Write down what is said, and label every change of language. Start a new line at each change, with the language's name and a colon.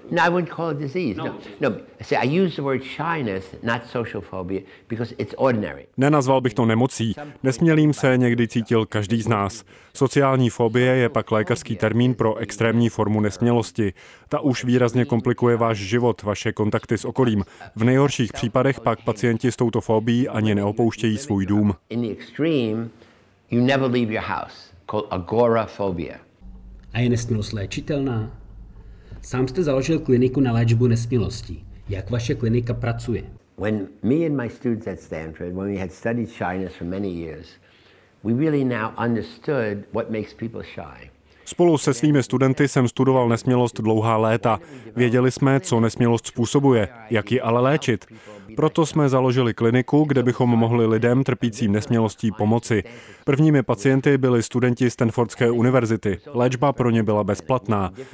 English: No, I wouldn't call it disease. No, see, I use the word shyness, not social phobia, because it's ordinary.
Czech: Nenazval bych to nemocí. Nesmělým se někdy cítil každý z nás. Sociální fobie je pak lékařský termín pro extrémní formu nesmělosti. Ta už výrazně komplikuje váš život, vaše kontakty s okolím. V nejhorších případech pak pacienti s touto fobií ani neopouštějí svůj dům.
English: In the extreme, you never leave your house, called agoraphobia.
Czech: A je nesmělost léčitelná? Sám jste založil kliniku na léčbu nesmělosti. Jak vaše klinika pracuje?
English: When me and my students at Stanford, when we had studied shyness for many years, we really now understood what makes people shy.
Czech: Spolu se svými studenty jsem studoval nesmělost dlouhá léta. Věděli jsme, co nesmělost způsobuje, jak ji ale léčit. Proto jsme založili kliniku, kde bychom mohli lidem trpícím nesmělostí pomoci. Prvními pacienty byli studenti Stanfordské univerzity. Léčba pro ně byla bezplatná.